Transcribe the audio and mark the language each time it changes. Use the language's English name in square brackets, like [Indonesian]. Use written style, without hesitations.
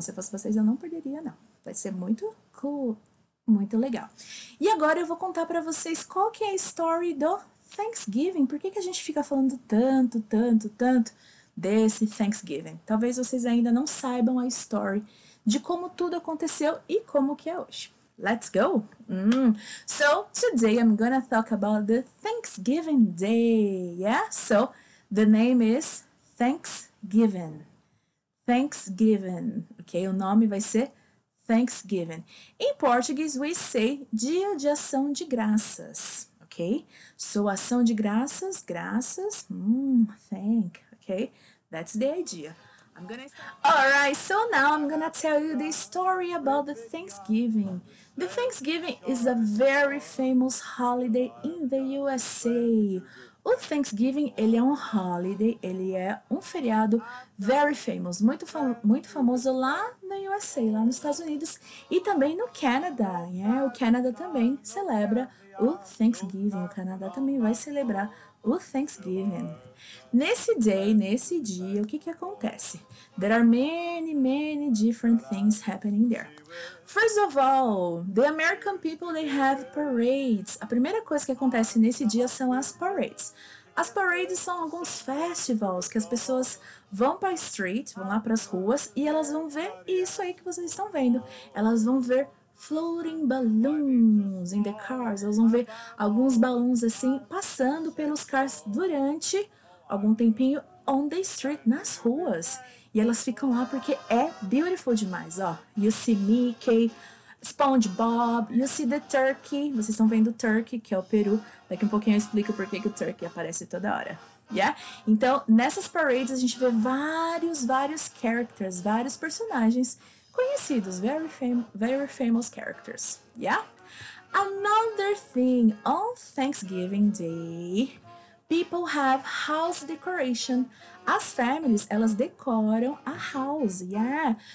[Portuguese] Se fosse vocês, eu não perderia, não. Vai ser muito cool, muito legal. E agora eu vou contar pra vocês qual que é a story do Thanksgiving, por que que a gente fica falando tanto, tanto, tanto desse Thanksgiving? Talvez vocês ainda não saibam a story de como tudo aconteceu e como que é hoje. [English] Let's go! So, today I'm gonna talk about the Thanksgiving Day, yeah? So, the name is Thanksgiving. [Portuguese] Thanksgiving, ok? O nome vai ser Thanksgiving. [English] In Portuguese, we say [Portuguese] Dia de Ação de Graças. [English] Ok? So, [Portuguese] ação de graças, graças, [English] thank, ok? That's the idea. Alright, so now I'm gonna tell you the story about the Thanksgiving. The Thanksgiving is a very famous holiday in the USA. [Portuguese] O Thanksgiving, ele é um holiday, ele é um feriado very famous, muito famoso lá no USA, lá nos Estados Unidos e também no Canadá, né? O Canadá também celebra o Thanksgiving, o Canadá também vai celebrar o Thanksgiving. Nesse dia, o que que acontece? [English] There are many, many different things happening there. First of all, the American people, they have parades. [Portuguese] A primeira coisa que acontece nesse dia são as parades. As parades são alguns festivals que as pessoas vão para a street, vão lá para as ruas e elas vão ver isso aí que vocês estão vendo. Elas vão ver [English] floating balloons in the cars. [Portuguese] Elas vão ver alguns balões assim passando pelos carros durante algum tempinho [English] on the street, [Portuguese] nas ruas. E elas ficam lá porque é beautiful demais, ó. [English] You see Mickey, SpongeBob, you see the turkey. [Portuguese] Vocês estão vendo o turkey, que é o peru. Daqui um pouquinho eu explico por que o turkey aparece toda hora. Yeah? Então, nessas parades a gente vê vários characters, vários personagens conhecidos, [English] very famous characters. [Portuguese] Yeah? [English] Another thing, on Thanksgiving Day, people have house decoration. [Portuguese] As families, elas decoram a house. Yeah.